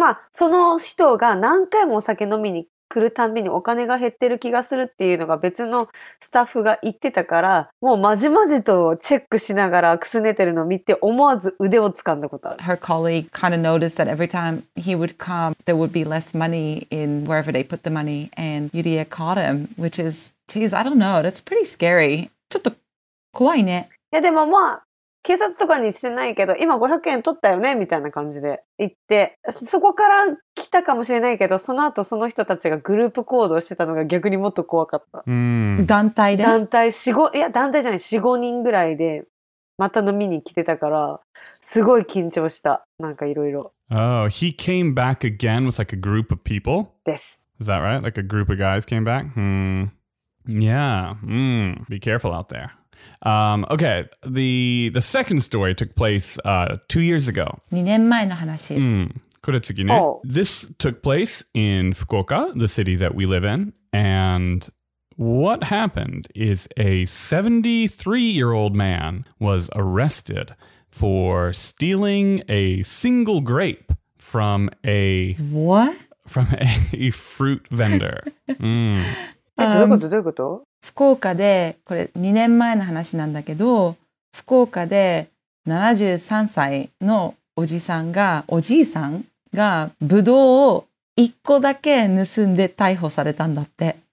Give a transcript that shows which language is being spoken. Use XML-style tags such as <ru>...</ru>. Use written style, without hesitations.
<ja>まあ、その人が何回もお酒飲みに来るたびにお金が減ってる気がするっていうのが別のスタッフが言ってたから、もうまじまじとチェックしながらくすねてるのを見て思わず腕を掴んだことある。</ja> <en>Her colleague kind of noticed that every time he would come there would be less money in wherever they put the money, and Yuria caught him, which is, geez, I don't know, that's pretty scary.</en> <ja>ちょっと怖いね。いやでもまあ警察とかにしてないけど、今500円取ったよねみたいな感じで言って、そこから来たかもしれないけど、その後その人たちがグループ行動してたのが逆にもっと怖かった。団体で？団体、4、5人ぐらいでまた飲みに来てたからすごい緊張した。なんかいろいろ。</ja> <en>Oh, he came back again with like a group of people?</en> <ja>です。</ja> <en>Is that right? Like a group of guys came back? Yeah. Be careful out there. Okay, the second story took place 2 years ago.</en> <ja>2年前の話。これ次ね。</ja> <en>This took place in Fukuoka, the city that we live in. And what happened is a 73-year-old man was arrested for stealing a single grape from a... What? From a fruit vendor.</en> <ja>どういうこと？どういうこと？福岡で、これ2年前の話なんだけど、福岡で73歳のおじさんが、おじいさんがブドウを1個だけ盗んで逮捕されたんだって。</ja>